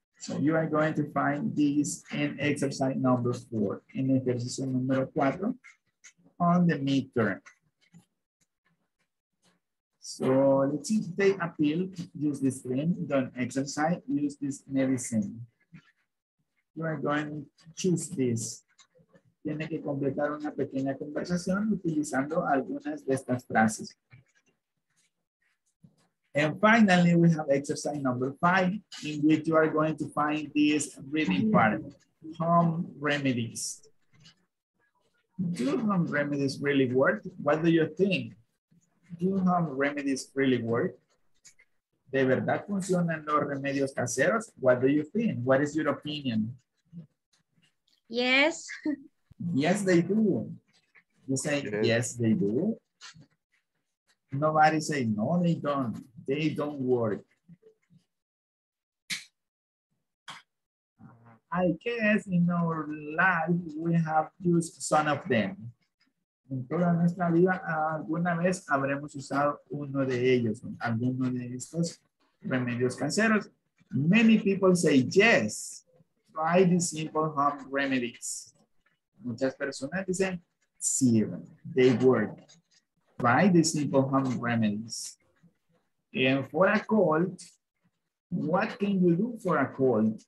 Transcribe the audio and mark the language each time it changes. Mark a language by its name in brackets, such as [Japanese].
[English] So you are going to find this in exercise number 4, in [Spanish] ejercicio número 4, [English] on the midterm. So let's see, they appear, use this cream, don't exercise, use this medicine. You are going to choose this. [Spanish] Tiene que completar una pequeña conversación utilizando algunas de estas frases. [English] And finally, we have exercise number 5, in which you are going to find this reading part, home remedies. Do home remedies really work? What do you think? Do home remedies really work? [Spanish] ¿De verdad funcionan los remedios caseros? [English] What do you think? What is your opinion? Yes. Yes, they do. You say, okay. Yes, they do. Nobody say, no, they don't. They don't work. I guess in our life we have used some of them. [Spanish] En toda nuestra vida alguna vez habremos usado uno de ellos, alguno de estos remedios caseros. [English] Many people say yes, try the simple home remedies. [Spanish] Muchas personas dicen sí, [English] they work. Try the simple home remedies. And for a cold, what can you do for a cold?